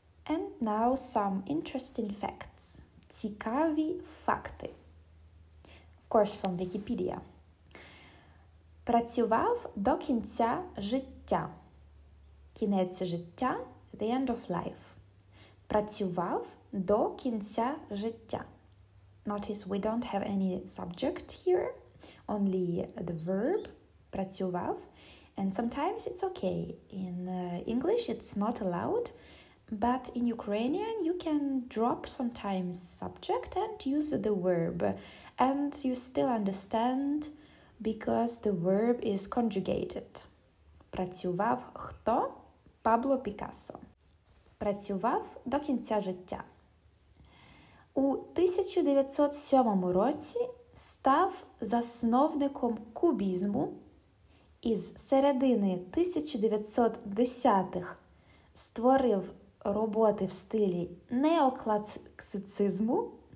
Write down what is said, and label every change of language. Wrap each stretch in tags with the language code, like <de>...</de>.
<en>And now some interesting facts.</en> <uk>Цікаві факти.</uk> <en>Of course, from Wikipedia.</en> <uk>Працював до кінця життя. Кінець життя</uk> <en>– the end of life.</en> <uk>Працював до кінця життя.</uk> <en>Notice we don't have any subject here, only the verb – працював. And sometimes it's okay. In English it's not allowed, but in Ukrainian you can drop sometimes subject and use the verb. And you still understand because the verb is conjugated.</en> <uk>Працював хто? Пабло Пікассо. Працював до кінця життя. У 1907 році став засновником кубізму. Із середини 1910-х створив роботи в стилі неокласицизму.</uk>